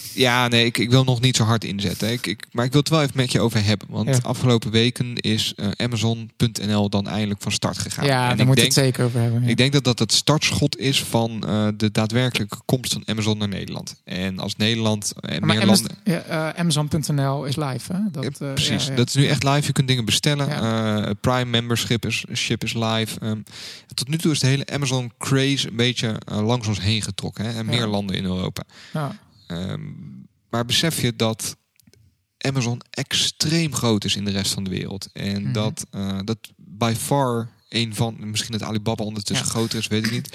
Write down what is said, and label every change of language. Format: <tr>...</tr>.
<nl>Ja, nee, ik wil nog niet zo hard inzetten. Maar ik wil het wel even met je over hebben. Want afgelopen weken is Amazon.nl dan eindelijk van start gegaan. Ja, en daar moet je het zeker over hebben. Ja. Ik denk dat het startschot is van de daadwerkelijke komst van Amazon naar Nederland. En als Nederland en meer landen. Amazon.nl is live, hè? Precies, dat is nu echt live. Je kunt dingen bestellen. Ja.</nl> <en>Prime membership is live.</en> <nl>Tot nu toe is de hele Amazon craze een beetje langs ons heen getrokken, hè? En meer landen in Europa. Ja. Maar besef je dat Amazon extreem groot is in de rest van de wereld? En dat by far een van, misschien het Alibaba ondertussen groter is, weet ik niet.</nl>